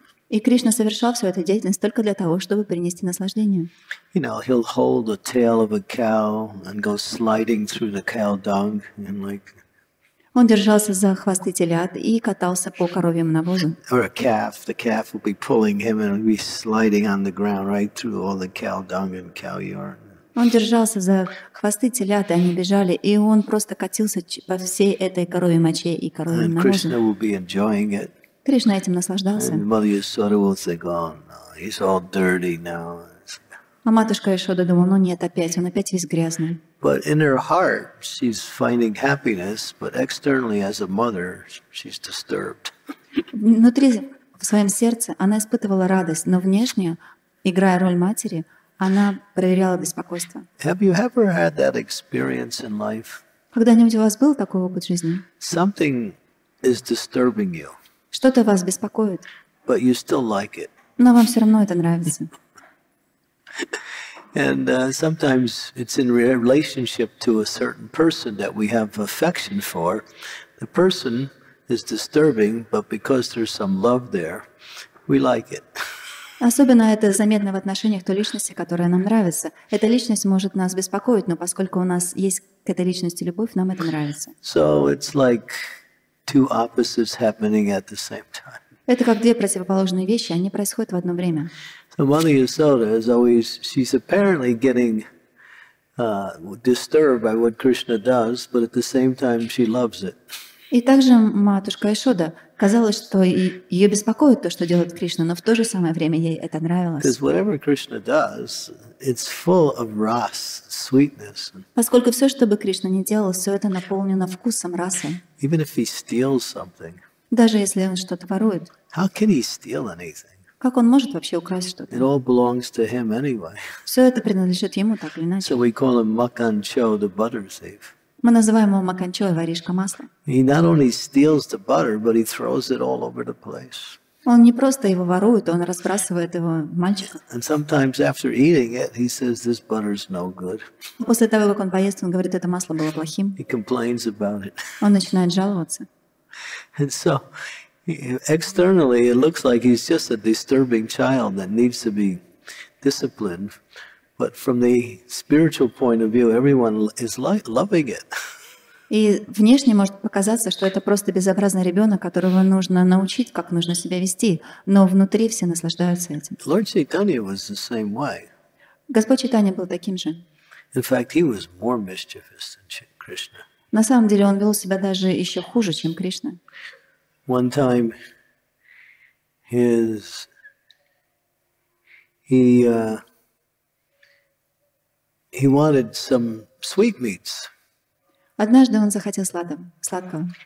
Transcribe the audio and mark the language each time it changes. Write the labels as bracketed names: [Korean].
[Russian] И Кришна совершал всю эту деятельность только для того, чтобы принести наслаждение. [English] You know, he'll hold the tail of a cow and go sliding through the cow dung and like. [Russian] Он держался за хвосты телят и катался по коровьему навозу. [English] Or a calf, the calf will be pulling him and be sliding on the ground right through all the cow dung and cow urine. [Russian] Он держался за хвосты телят, и они бежали, и он просто катился по всей этой коровьей моче и коровьему навозу. [English] And Krishna will be enjoying it. [Russian] Кришна этим наслаждался. [English] And Mother Yasoda will think, oh, no, he's all dirty now. [Russian] А матушка Яшода думала, ну нет, опять, он опять весь грязный. [English] But in her heart, she's finding happiness, but externally, as a mother, she's disturbed. [Russian] Внутри, в своем сердце, она испытывала радость, но внешне, играя роль матери, она проверяла беспокойство. [English] Have you ever had that experience in life? [Russian] Когда-нибудь у вас был такой опыт жизни? [English] Something is disturbing you. [Russian] Что-то вас беспокоит. [English] But you still like it. [Russian] Но вам все равно это нравится. [English] And sometimes it's in relationship to a certain person that we have affection for. The person is disturbing, but because there's some love there, we like it. [Russian] Особенно это заметно в отношениях той личности, которая нам нравится. Эта личность может нас беспокоить, но поскольку у нас есть к этой личности любовь, нам это нравится. [English] So it's like two opposites happening at the same time. [Russian] Это как две противоположные вещи, они происходят в одно время. [English] So Mother Yasoda is always, she's apparently getting disturbed by what Krishna does, but at the same time she loves it. [Russian] И также матушка Яшода, казалось, что ее беспокоит то, что делает Кришна, но в то же самое время ей это нравилось. [English] Because whatever Krishna does, it's full of ras, sweetness. [Russian] Поскольку все, что бы Кришна ни делал, все это наполнено вкусом, расой. [English] Even if he steals something. [Russian] Даже если он что-то ворует. [English] How can he steal anything? [Russian] Как он может вообще украсть что-то? [English] It all belongs to him anyway. [Russian] Все это принадлежит ему так или иначе. [English] So we call him Makancho, the butter thief. [Russian] Мы называем его Маканчо, воришка масла. [English] He not only steals the butter, but he throws it all over the place. [Russian] Он не просто его ворует, он разбрасывает его мальчиком. [English] And sometimes after eating it, he says this butter is no good. [Russian] После того, как он поест, он говорит, это масло было плохим. [English] He complains about it. [Russian] Он начинает жаловаться. [English] And so externally it looks like he's just a disturbing child that needs to be disciplined. But from the spiritual point of view, everyone is loving it. [Russian] И внешне может показаться, что это просто безобразный ребенок, которого нужно научить, как нужно себя вести. Но внутри все наслаждаются этим. [English] Lord Chaitanya was the same way. [Russian] Господь Чайтанья был таким же. [English] In fact, he was more mischievous than Krishna. [Russian] На самом деле он вел себя даже еще хуже, чем Кришна. [English] One time, he wanted some sweetmeats. [Russian] Однажды он захотел сладкого.